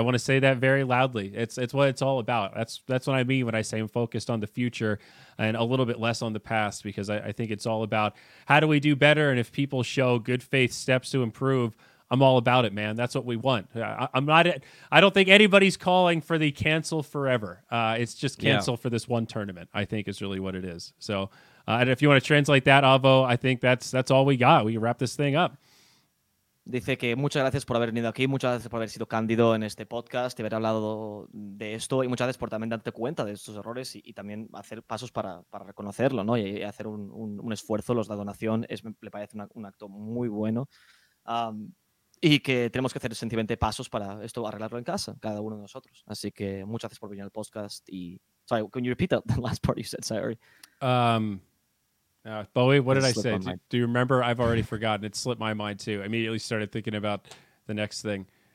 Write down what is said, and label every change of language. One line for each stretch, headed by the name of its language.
English: I want to say that very loudly. It's what it's all about. That's what I mean when I say I'm focused on the future and a little bit less on the past, because I think it's all about how do we do better, and if people show good faith steps to improve, I'm all about it, man. That's what we want. I don't think anybody's calling for the cancel forever. It's just cancel for this one tournament, I think, is really what it is. So, and if you want to translate that, Avo, I think that's all we got. We can wrap this thing up.
Spanish: Dice que muchas gracias por haber venido aquí, muchas gracias por haber sido cándido en este podcast y haber hablado de esto, y muchas gracias por también darte cuenta de estos errores y también hacer pasos para reconocerlo, ¿no? Y hacer un esfuerzo. Los de la donación le parece un acto muy bueno, y que tenemos que hacer sencillamente pasos para esto, arreglarlo en casa, cada uno de nosotros. Así que muchas gracias por venir al podcast.
English: Y sorry, can you repeat the last part you said? Sorry. Bowie, what did I say? Do you remember? I've already forgotten. It slipped my mind too. I immediately started thinking about the next thing.